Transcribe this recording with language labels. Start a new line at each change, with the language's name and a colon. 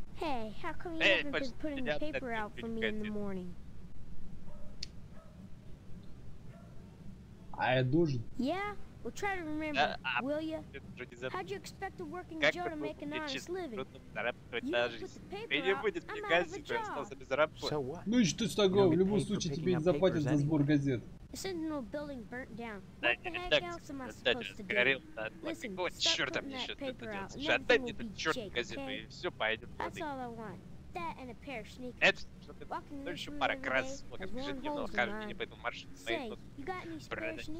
English: Hey, how come you haven't been putting the paper out for me in the morning?
Russian: А я должен.
English: Yeah, we'll try to remember, will ya? How'd you expect a working Joe to make an honest living? You put the paper out, I'm out of a job. So what?
Russian: Ну и что с того, в любом случае тебе не заплатят за сбор газет.
English: The Sentinel building burnt down. What the heck else am I supposed to do? Listen, stop putting that paper out, and everything will be Jake, okay? That's all I want. That and a pair of sneakers.
Russian: Ну еще пара кроссовок, ежедневно ухаживание по этому маршруту стоит тут.